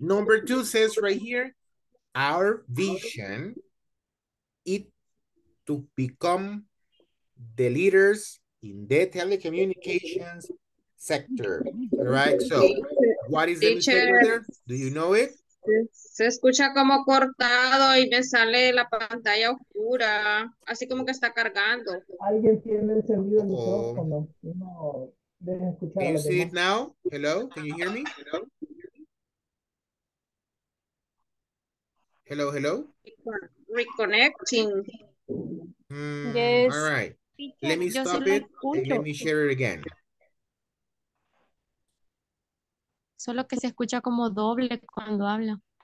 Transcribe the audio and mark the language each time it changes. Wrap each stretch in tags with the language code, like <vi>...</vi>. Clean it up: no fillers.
<en>Number two says right here, our vision is to become the leaders in the telecommunications sector, right? So what is the mistake there? Do you know it?</en> <es>Se escucha como cortado y me sale la pantalla oscura, así como que está cargando. ¿Alguien tiene encendido el micrófono? No, deja escuchar.</es> <en>Can you see it now? Hello, can you hear me? Hello. Reconnecting. Yes. All right. Let me stop it and let me share it again.</en> <es>Solo que se escucha como doble cuando habla.</es>